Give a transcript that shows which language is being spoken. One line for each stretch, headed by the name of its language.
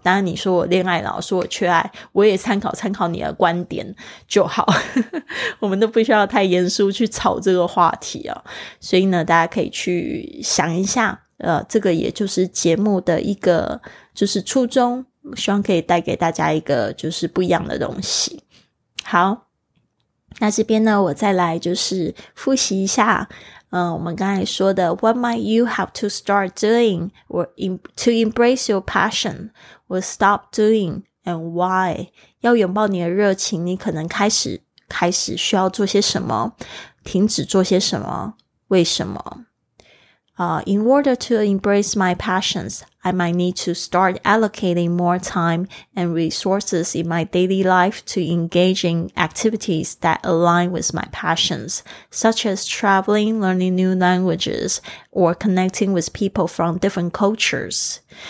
Chinese: 当然你说我恋爱脑，说我缺爱，我也参考参考你的观点就好我们都不需要太严肃去吵这个话题啊。所以呢大家可以去想一下这个也就是节目的一个就是初衷，希望可以带给大家一个就是不一样的东西。好，那这边呢我再来就是复习一下我们刚才说的
English: What might you have to start doing to embrace your passion or stop doing and why?
Chinese: 要拥抱你的热情，你可能开始需要做些什么，停止做些什么，为什么。
English: In order to embrace my passions, I might need to start allocating more time and resources in my daily life to engaging activities that align with my passions, such as traveling, learning new languages, or connecting with people from different cultures.